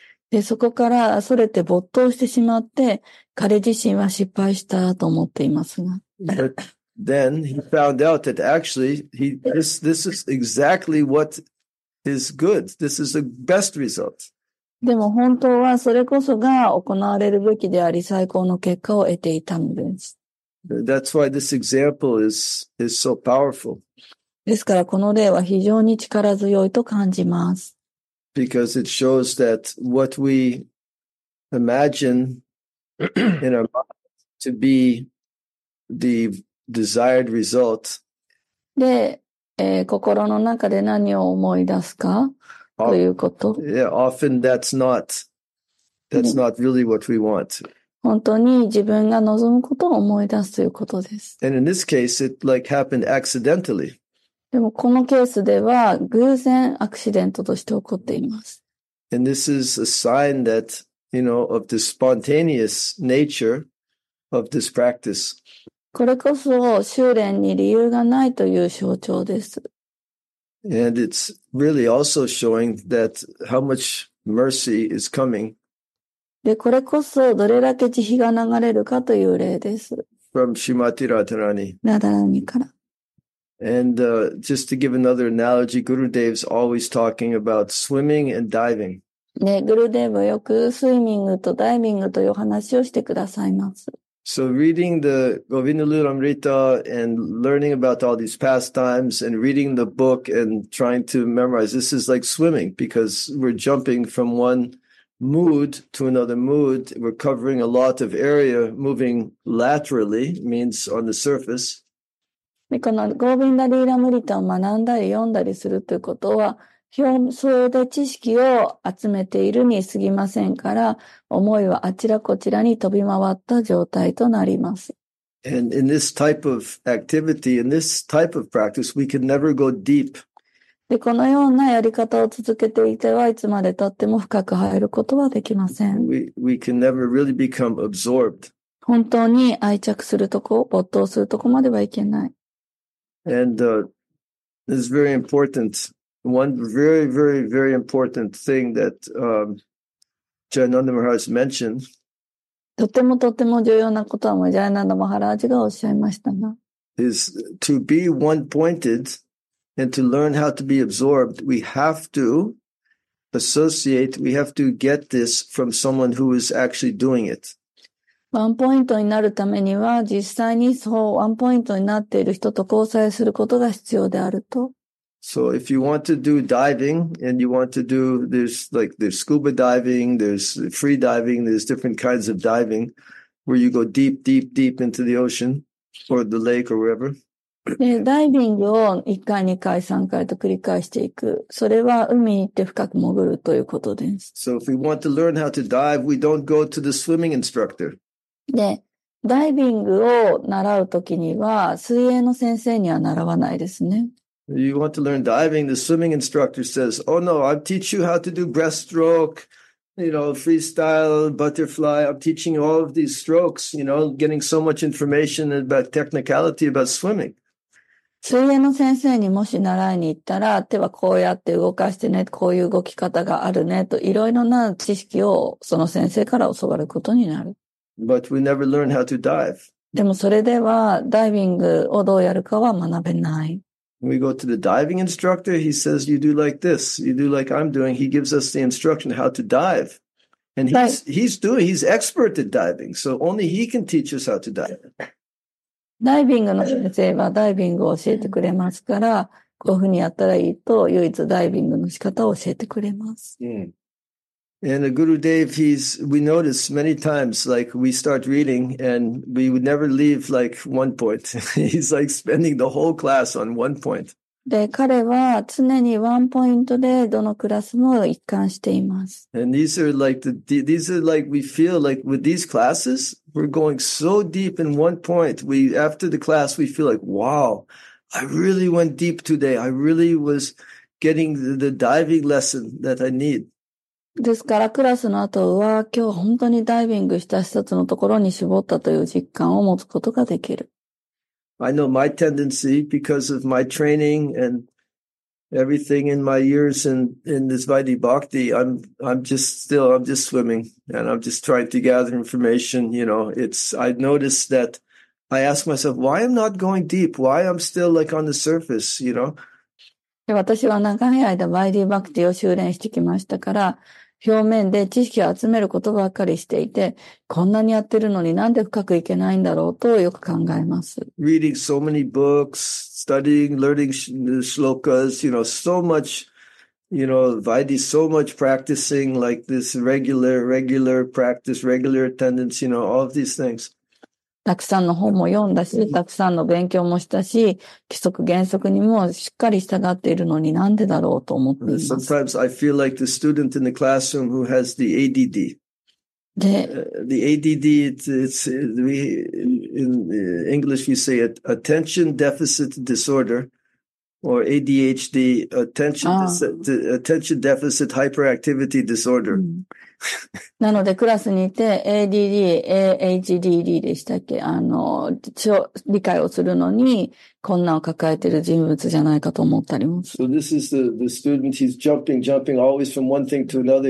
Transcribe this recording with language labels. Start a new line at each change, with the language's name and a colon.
Japanese: で、そこからそれて没頭してしまって、彼自身は失敗したと思っていますが。
English: But then he found out that actually this is exactly what is good. This is the best result.
Japanese: でも本当はそれこそが行われるべきであり最高の結果を得ていたのです。
English: That's why this example is so powerful.
Japanese: ですからこの例は非常に力強いと感じます。
English: Because it shows that what we imagine in our mind to be the desired result.
Japanese: で、心の中で何を思い出すかということ。
English: Yeah, often that's not really what we want.
Japanese: 本当に自分が望むことを思い出すということです。
English: And in this case, it like happened accidentally.
Japanese: でもこのケースでは偶然アクシデントとして起こっています。
English: And this is a sign that, you know, of the spontaneous nature of this practice.
Japanese: これこそ修練に理由がないという象徴です。
English: And it's really also showing that how much mercy is coming.
Japanese: で、これこそどれだけ慈悲が流れるかという例です。
English: From Srimati Radharani.
Japanese: Radharani から。
English: And just to give another analogy, Gurudev's always talking about swimming and diving.
Japanese: ね、Gurudev はよくスイミングとダイビングという話をしてくださいます。
English: So reading the Govinda Lilamrita and learning about all these pastimes and reading the book and trying to memorize, this is like swimming because we're jumping from one mood to another mood. We're covering a lot of area, moving laterally means on the surface.
Japanese: この Govinda Lilamrita を学んだり読んだりするということは、表層で知識を集めているに過ぎませんから、思いはあちらこちらに飛び回った状態となります。
English: And in this type of activity, in this type of practice, we can never go deep.
Japanese: で、このようなやり方を続けていては、いつまで経っても深く入ることはできません。
English: We can never really become absorbed.
Japanese: 本当に愛着するとこ、没頭するとこまではいけない。
English: And, this is very important. One very, very, very important thing that, Jayananda Maharaj mentioned.
Japanese: とてもとても重要なことはもう、ジャイナンダ・マハラージがおっしゃいましたが。
English: Is to be one-pointed and to learn how to be absorbed, we have to associate, we have to get this from someone who is actually doing it.
Japanese: ワンポイントになるためには、実際にそう、ワンポイントになっている人と交際することが必要であると。
English: So if you want to do diving and you want to do there's scuba diving, there's free diving, there's different kinds of diving where you go deep, deep, deep into the ocean or the lake or wherever.
Japanese: で、ダイビングを1回、2回、3回と繰り返していく。それは海に行って深く潜るということです。
English: So if we want to learn how to dive, we don't go to the swimming instructor.
Japanese: で、ダイビングを習うときには水泳の先生には習わないですね。
English: You want to learn diving? The swimming instructor says, oh no, I'll teach you how to do breaststroke, you know, freestyle, butterfly. I'm teaching you all of these strokes, you know, getting so much information about technicality about swimming.
Japanese: 水泳の先生にもし習いに行ったら、手はこうやって動かしてね、こういう動き方があるね、といろいろな知識をその先生から教わることになる。
English: But we never learn how to dive.
Japanese: でもそれではダイビングをどうやるかは学べない。
English: We go to the diving instructor, he says, you do like this, you do like I'm doing, he gives us the instruction how to dive. And he's expert at diving, so only he can teach us how to dive.
Japanese: ダイビングの先生はダイビングを教えてくれますから、こういうふうにやったらいいと、唯一ダイビングの仕方を教えてくれます。 Mm.
English: And Guru Dev, we notice many times, like we start reading and we would never leave like one point. He's like spending the whole class on one point.
Japanese: で、彼は常にワンポイントでどのクラスも一貫しています。
English: And these are like we feel like with these classes,We're going so deep in one point. After the class, we feel like, wow, I really went deep today. I really was getting the diving lesson that I need.
Japanese: ですから、クラスの後は、今日本当にダイビングした一つのところに絞ったという実感を持つことができる。
English: I know my tendency because of my training and everything in my years in this Vaidhi Bhakti, I'm just swimming and I'm just trying to gather information. You know, I noticed that I ask myself, why I'm not going deep? Why I'm still like on the surface, you know?
Japanese: 私は長い間 Vaidhi Bhakti を修練してきましたから、表面で知識を集めることばっかりしていて、こんなにやってるのになんで深くいけないんだろうとよく考えます。
English: Reading so many books, studying, learning shlokas, you know, so much, you know, Vaidhi, so much practicing, like this regular practice, regular attendance, you know, all of these things.
Japanese: たくさんの本も読んだし、たくさんの勉強もしたし、規則原則にもしっかり従っているのになんでだろうと思っています。
English: Sometimes I feel like the student in the classroom who has the ADD. The ADD, in English we say it, attention deficit disorder, or ADHD, attention deficit hyperactivity disorder.、うん
Japanese: なので、クラスにいて、ADD、AHDD でしたっけ理解をするのに、困難を抱えている人物じゃないかと思ったりも。
English: So this is the student, he's jumping, always from one thing to another.